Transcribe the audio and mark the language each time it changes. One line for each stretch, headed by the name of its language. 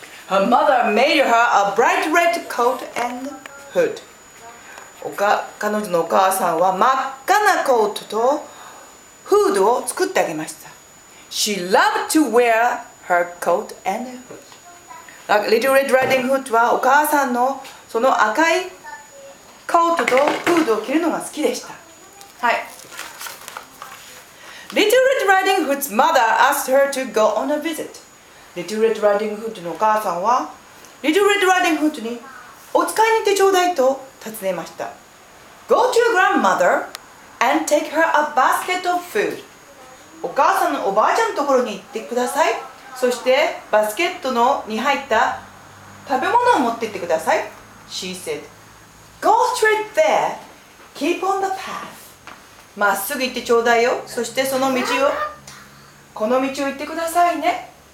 English: Her mother made her a bright red coat and hood.
Japanese: 彼女のお母さんは真っ赤なコートとフードを作ってあげました。
English: She loved to wear her coat and hood.
Japanese: Little Red Riding Hood はお母さんのその赤いコートとフードを着るのが好きでした。はい。
English: Little Red Riding Hood's mother asked her to go on a visit.
Japanese: Little Red Riding Hood のお母さんは、Little Red Riding Hood にお使いに行ってちょうだいと尋ねました。
English: Go to your grandmother and take her a basket of food.
Japanese: お母さんのおばあちゃんのところに行ってください。そしてバスケットのに入った食べ物を持ってってください。
English: She said. Go straight there. Keep on the path.
Japanese: まっすぐ行ってちょうだいよ。そしてその道を、この道を行ってくださいね。